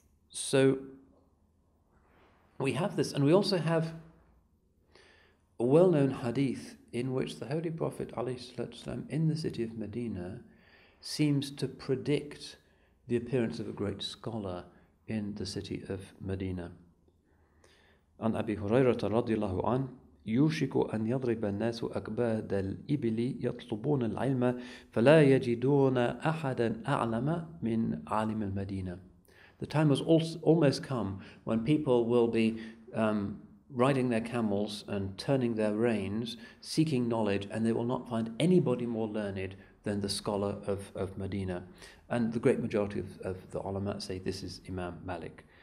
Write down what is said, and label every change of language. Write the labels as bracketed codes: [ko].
[en] So we have this, and we also have a well-known hadith in which the Holy Prophet ﷺ in the city of Medina seems to predict the appearance of a great scholar in the city of Medina. [ar] An Abi Hurairata radiallahu anhu, يوشك أن يضرب الناس أكباد الإبل يطلبون العلم فلا يجدون أحدا أعلم من عالم المدينة. [en] The time has almost come when people will be riding their camels and turning their reins, seeking knowledge, and they will not find anybody more learned than the scholar of Medina. And the great majority of the ulama say this is Imam Malik.